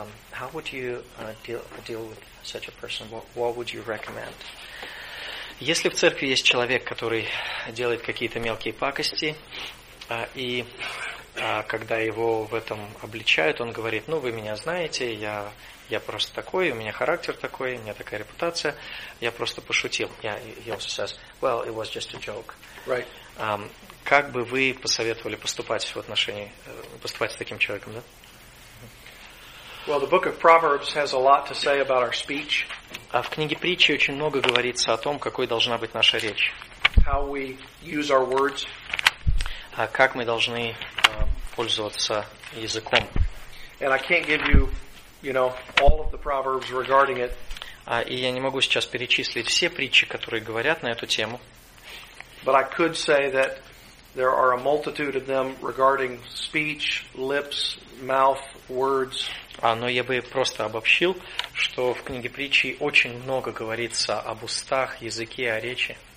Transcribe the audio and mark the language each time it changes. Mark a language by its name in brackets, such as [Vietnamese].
[English] How would you deal with such a person? What would you recommend? [Russian] Если в церкви есть человек, который делает какие-то мелкие пакости, и... Когда его в этом обличают, он говорит, ну, вы меня знаете, я просто такой, у меня характер такой, у меня такая репутация, я просто пошутил. [English] He also says, well, it was just a joke. Right. [Russian] Как бы вы посоветовали поступать с таким человеком, да? [English] Well, the book of Proverbs has a lot to say about our speech. [Russian] А в книге притчи очень много говорится о том, какой должна быть наша речь. [English] How we use our words. [Russian] А как мы должны пользоваться языком. [English] And I can't give you, you know, all of the proverbs regarding it. [Russian] И я не могу сейчас перечислить все притчи, которые говорят на эту тему. [English] But I could say that there are a multitude of them regarding speech, lips, mouth, words. [Russian] Но я бы просто обобщил, что в книге притчи очень много говорится об устах, языке, о речи.